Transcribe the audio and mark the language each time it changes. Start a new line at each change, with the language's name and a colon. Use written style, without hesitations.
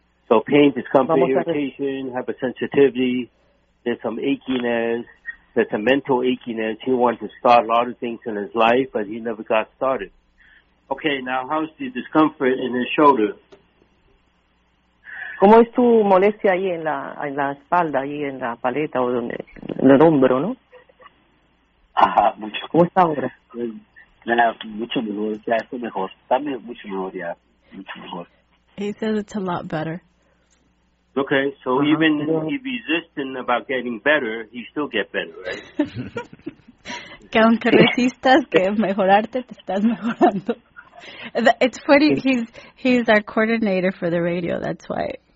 English: So pain, discomfort, irritation, hypersensitivity, there's some achiness, there's some mental achiness. He wanted to start a lot of things in his life, but he never got started. Okay, now how's the discomfort in his shoulder?
Spanish: ¿Cómo es tu molestia ahí en la espalda, ahí en la paleta o donde, en el hombro, no? Ajá, mucho. ¿Cómo está ahora? Mucho mejor, ya estoy mejor. También mucho mejor, ya.
English: He says it's a lot better. Okay, so even if he's resisting about getting better, he still get better, right?
Spanish: Que aunque resistas que mejorarte, te estás mejorando.
English: It's funny, he's our coordinator for the radio, that's why.